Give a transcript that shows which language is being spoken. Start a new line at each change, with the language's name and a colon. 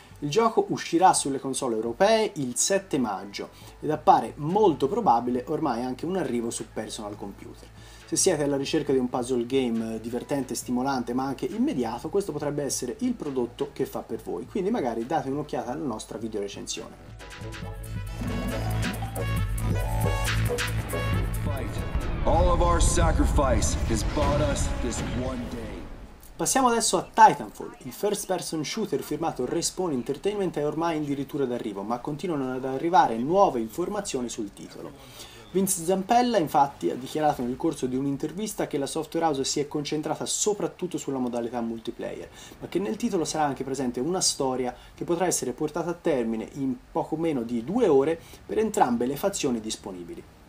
Italian: Il gioco uscirà sulle console europee il 7 maggio ed appare molto probabile ormai anche un arrivo su personal computer. Se siete alla ricerca di un puzzle game divertente, stimolante, ma anche immediato, questo potrebbe essere il prodotto che fa per voi. Quindi magari date un'occhiata alla nostra video recensione.
English: All of our sacrifice has bought us this one day.
Italian: Passiamo adesso a Titanfall, il first person shooter firmato Respawn Entertainment è ormai addirittura d'arrivo, ma continuano ad arrivare nuove informazioni sul titolo. Vince Zampella infatti ha dichiarato nel corso di un'intervista che la Software House si è concentrata soprattutto sulla modalità multiplayer, ma che nel titolo sarà anche presente una storia che potrà essere portata a termine in poco meno di 2 ore per entrambe le fazioni disponibili.